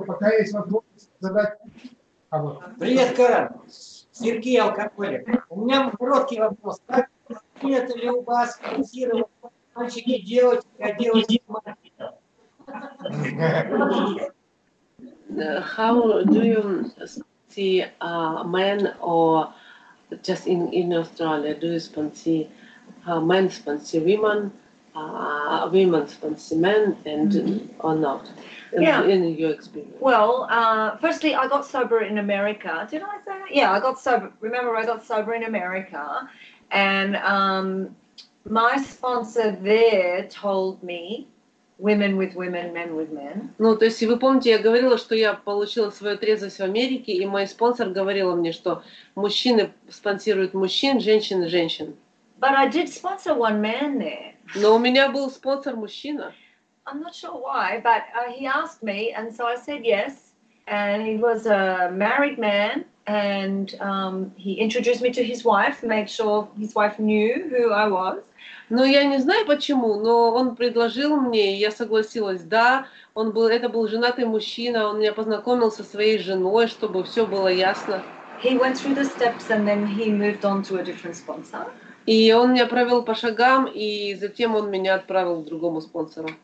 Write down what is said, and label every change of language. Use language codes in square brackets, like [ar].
[ru] Пока есть возможность задать. А вот. Привет, Карен. Сергей Алкоголик. У меня короткий вопрос. Как принято ли у вас фиксировать мальчики, девочки, а девочки мальчики? [en] How do you see a man or just in Australia, do you sponsor men sponsor women, women sponsor men, and or not? In your experience. Well, firstly, I got sober in America. Did I say that? Yeah, I got sober. Remember, I got sober in America, and my sponsor there told me. Women with women, men with men. [ru] Ну, то есть, вы помните, я говорила, что я получила свою трезвость в Америке, и мой спонсор говорила мне, что мужчины спонсируют мужчин, женщины женщин. [en] But I did sponsor one man there. [ru] Но у меня был спонсор мужчина. [en] I'm not sure why, but he asked me, and so I said yes, and he was a married man, and he introduced me to his wife, made sure his wife knew who I was. [ru] Ну, я не знаю почему, но он предложил мне, и я согласилась, да, он был, это был женатый мужчина, он меня познакомил со своей женой, чтобы все было ясно. [en] He went through the steps and then he moved on to a different sponsor. [ru] И он меня провел по шагам, и затем он меня отправил к другому спонсору.